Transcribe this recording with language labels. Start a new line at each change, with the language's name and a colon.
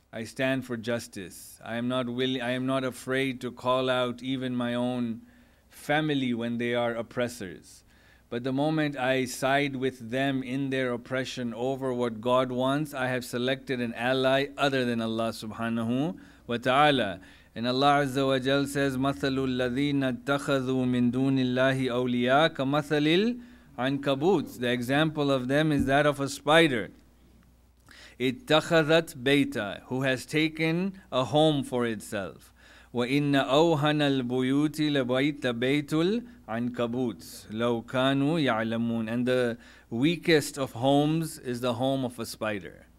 English: I stand for justice. I am not afraid to call out even my own family when they are oppressors. But the moment I side with them in their oppression over what God wants, I have selected an ally other than Allah subhanahu wa ta'ala. And Allah Azza wa Jal says,
Arabic: مَثَلُ الَّذِينَ اتَّخَذُوا مِن دُونِ اللَّهِ أَوْلِيَا كَمَثَلِ الْعَنْكَبُوتِ.
English: The example of them is that of a spider.
Arabic: اتَّخَذَتْ بَيْتَ,
English: who has taken a home for itself.
Arabic: وَإِنَّ أَوْهَنَ الْبُيُوتِ لَبَيْتَ بَيْتُ الْعَنْكَبُوتِ لَوْ كَانُوا يَعْلَمُونَ.
English: And the weakest of homes is the home of a spider.